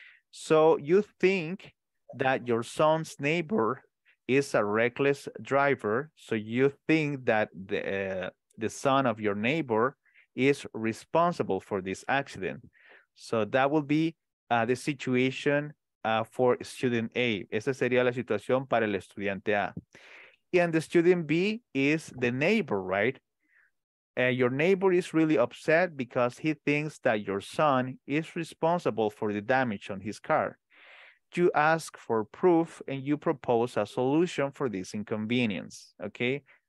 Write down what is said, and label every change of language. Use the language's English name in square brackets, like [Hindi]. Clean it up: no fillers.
[English] So you think that your son's neighbor is a reckless driver. So you think that the son of your neighbor is responsible for this accident. So that will be the situation for student A. [Spanish] Esa sería la situación para el estudiante A. [English] And the student B is the neighbor, right? And your neighbor is really upset because he thinks that your son is responsible for the damage on his car. You ask for proof and you propose a solution for this inconvenience, okay?